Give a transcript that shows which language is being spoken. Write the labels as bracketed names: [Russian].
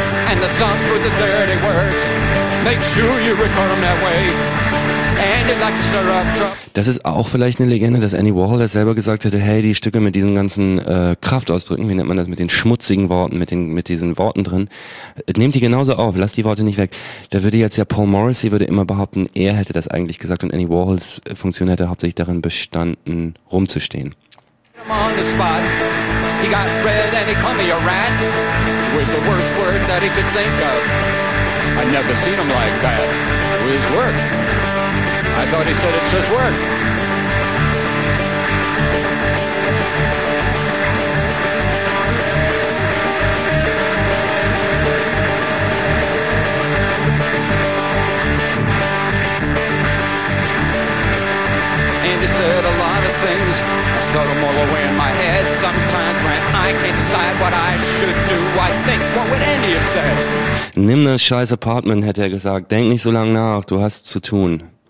[English] And the songs with the dirty words, make sure you record them that way. And you like to stir up trouble. [German] Das ist auch vielleicht eine Legende, dass Andy Warhol das selber gesagt hätte, hey, die Stücke mit diesen ganzen Kraftausdrücken, wie nennt man das, mit den schmutzigen Worten, mit diesen Worten drin, nehmt die genauso auf, lasst die Worte nicht weg. Da würde jetzt ja Paul Morrissey würde immer behaupten, er hätte das eigentlich gesagt und Andy Warhols Funktion hätte hauptsächlich darin bestanden, rumzustehen. [English] I'm on the spot. He got red and he called me a rat. It was the worst word that he could think of. I'd never seen him like that. It was work. I thought he said it's just work. Andy said a lot of things. I start them all away in my head. Sometimes when I can't decide what I should do, I think, what would Andy have said? [German] Nimm das scheiß Apartment, hätte er gesagt. Denk nicht so lange nach, du hast zu tun.